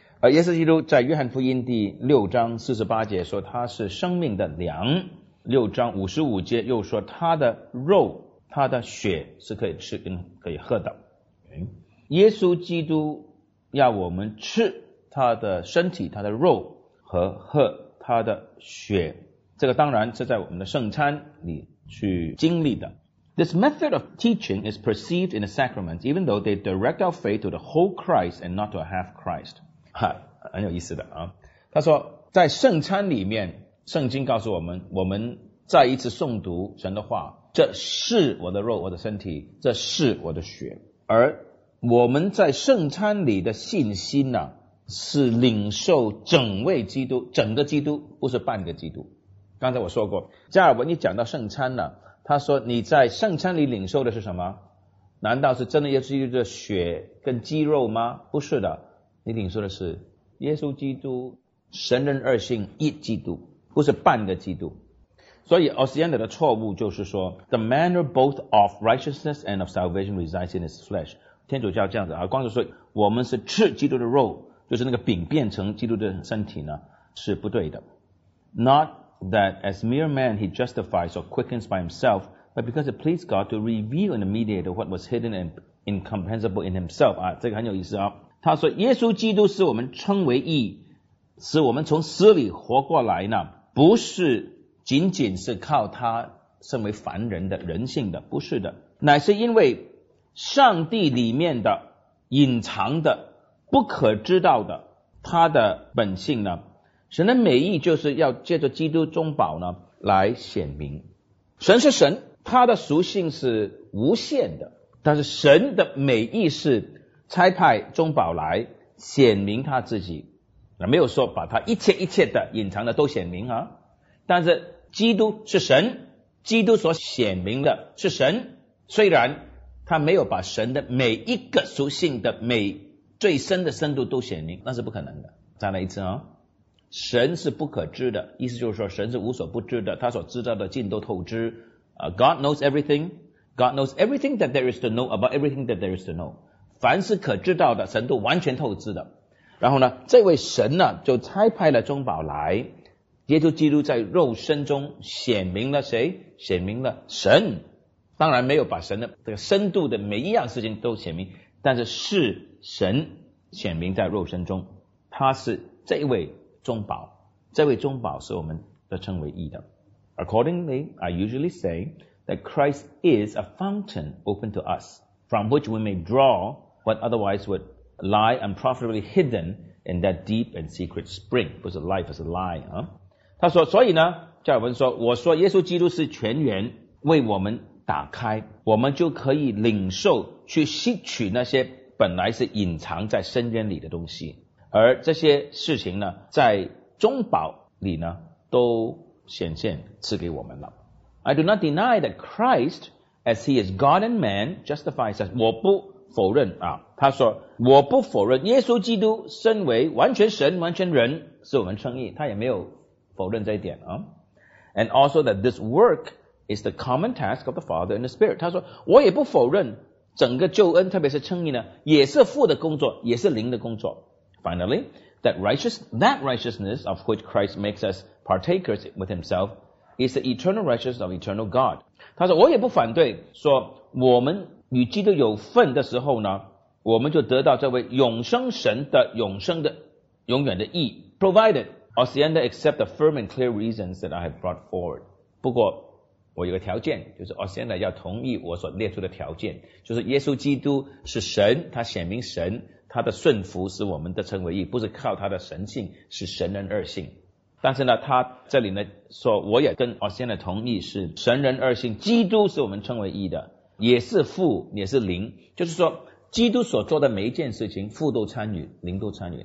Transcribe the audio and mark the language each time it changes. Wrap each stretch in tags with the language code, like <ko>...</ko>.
<zh>而耶稣基督在约翰福音第6:48说他是生命的粮，6:55又说他的肉他的血是可以吃跟可以喝的。耶稣基督要我们吃他的身体他的肉和喝他的血，这个当然是在我们的圣餐里去经历的。</zh> <en>This method of teaching is perceived in the sacraments even though they direct our faith to the whole Christ and not to a half Christ。</en> <zh>哈，很有意思的啊。他说在圣餐里面圣经告诉我们，我们再一次诵读神的话，这是我的肉我的身体，这是我的血。而我们在圣餐里的信心呢，是领受整位基督，整个基督，不是半个基督。刚才我说过，加尔文一讲到圣餐呢，他说你在圣餐里领受的是什么？难道是真的耶稣基督的血跟肌肉吗？不是的，你领受的是耶稣基督神人二性一基督，不是半个基督。所以 Osiander 的错误就是说</zh> <en>The manner both of righteousness and of salvation resides in his flesh。</en> <zh>天主教这样子，光是说我们是吃基督的肉，就是那个饼变成基督的身体呢，是不对的。</zh> <en>Not that as mere man he justifies or quickens by himself, but because it pleased God to reveal in the mediator what was hidden and incomprehensible in himself。</en> <zh>这个很有意思啊。他说耶稣基督使我们称为义，使我们从死里活过来呢，不是仅仅是靠他身为凡人的人性的，不是的，乃是因为上帝里面的隐藏的不可知道的他的本性呢，神的美意就是要借着基督中保呢来显明。神是神，他的属性是无限的，但是神的美意是差派中保来显明他自己，没有说把他一切一切的隐藏的都显明啊，但是基督是神，基督所显明的是神，虽然他没有把神的每一个属性的每最深的深度都显明，那是不可能的。再来一次啊，神是不可知的，意思就是说神是无所不知的，他所知道的尽都透支。</zh> <en>God knows everything, God knows everything that there is to know about everything that there is to know。</en> <zh>凡是可知道的神都完全透支的。然后呢，这位神呢就差派了中保来，耶稣基督在肉身中显明了谁？显明了神。当然没有把神的这个深度的每一样事情都显明，但是是神显明在肉身中，他是这位中保，这位中保是我们的称为义的。</zh> <en>Accordingly, I usually say that Christ is a fountain open to us from which we may draw what otherwise would lie unprofitably hidden in that deep and secret spring。</en> <zh>不是 life 是 lie 啊。他说所以呢，加尔文说，我说耶稣基督是泉源，为我们打开，我们就可以领受去吸取那些本来是隐藏在深渊里的东西。而这些事情呢，在中保里呢都显现赐给我们了。</zh> <en>I do not deny that Christ as he is God and man justifies us.</en> <zh>我不否认啊，他说我不否认耶稣基督身为完全神完全人是我们称义，他也没有否认这一点啊。</zh> <en>And also that this work is the common task of the Father and the Spirit.</en> <zh>他说我也不否认整个救恩特别是称义呢也是父的工作也是灵的工作。</zh> <en>Finally, that righteousness of which Christ makes us partakers with himself is the eternal righteousness of eternal God.</en> <zh>他说我也不反对说我们与基督有份的时候呢我们就得到这位永生神的永生的永远的义。</zh> <en>Provided Osienda accept the firm and clear reasons that I have brought forward.</en> <zh>不过我有个条件，就是Osienda要同意我所列出的条件，就是耶稣基督是神，他显明神，他的顺服使我们的称为义，不是靠他的神性，是神人二性。但是呢，他这里呢说，我也跟Osienda同意，是神人二性，基督使我们称为义的，也是父，也是灵，就是说基督所做的每一件事情，父都参与，灵都参与。</zh>